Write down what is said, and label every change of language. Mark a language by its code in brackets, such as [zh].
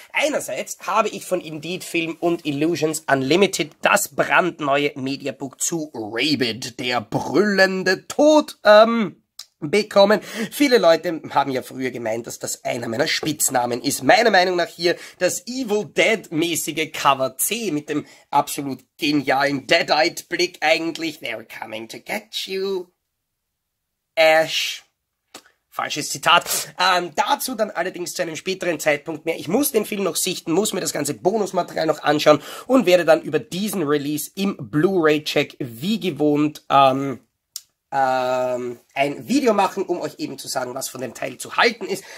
[de] Einerseits habe ich von Indeed Film und Illusions Unlimited das brandneue Mediabook zu Rabid, der brüllende Tod, bekommen. Viele Leute haben ja früher gemeint, dass das einer meiner Spitznamen ist. Meiner Meinung nach hier das Evil Dead-mäßige Cover C mit dem absolut genialen Deadite-Blick eigentlich. [en] They're coming to get you, Ash. [de] Falsches Zitat. Dazu dann allerdings zu einem späteren Zeitpunkt mehr. Ich muss den Film noch sichten, muss mir das ganze Bonusmaterial noch anschauen und werde dann über diesen Release im Blu-ray-Check wie gewohnt ein Video machen, um euch eben zu sagen, was von dem Teil zu halten ist.